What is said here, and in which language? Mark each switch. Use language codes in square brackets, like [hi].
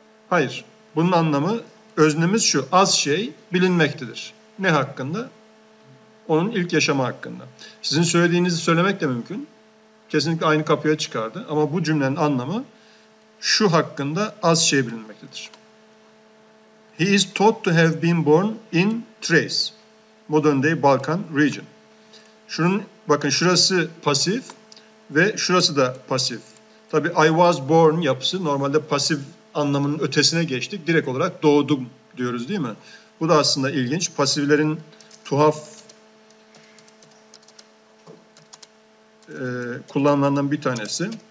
[tr] Hayır, bunun anlamı, öznemiz şu, az şey bilinmektedir. Ne hakkında? Onun ilk yaşamı hakkında. Sizin söylediğinizi söylemek de mümkün. Kesinlikle aynı kapıya çıkardı. Ama bu cümlenin anlamı şu hakkında az şey bilinmektedir. [en] He is thought to have been born in Thrace. Modern day Balkan region. [tr] Şunun, bakın şurası pasif ve şurası da pasif. Tabii [en] I was born [tr] yapısı normalde pasif anlamının ötesine geçtik. Direkt olarak doğdum diyoruz, değil mi? Bu da aslında ilginç. Pasivlerin tuhaf kullanılanlardan bir tanesi.